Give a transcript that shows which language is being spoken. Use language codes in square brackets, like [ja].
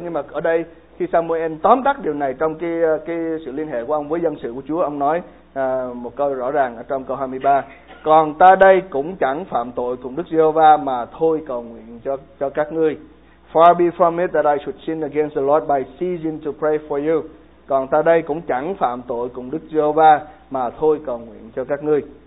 [vi] Nhưng mà ở đây khi Samuel tóm tắt điều này trong cái sự liên hệ của ông với dân sự của Chúa, ông nói một câu rõ ràng ở trong câu 23: còn ta đây cũng chẳng phạm tội cùng Đức Giê-hô-va mà thôi cầu nguyện cho các ngươi. [en] Far be from it that I should sin against the Lord by ceasing to pray for you. [vi] Còn ta đây cũng chẳng phạm tội cùng Đức Giê-hô-va mà thôi cầu nguyện cho các ngươi.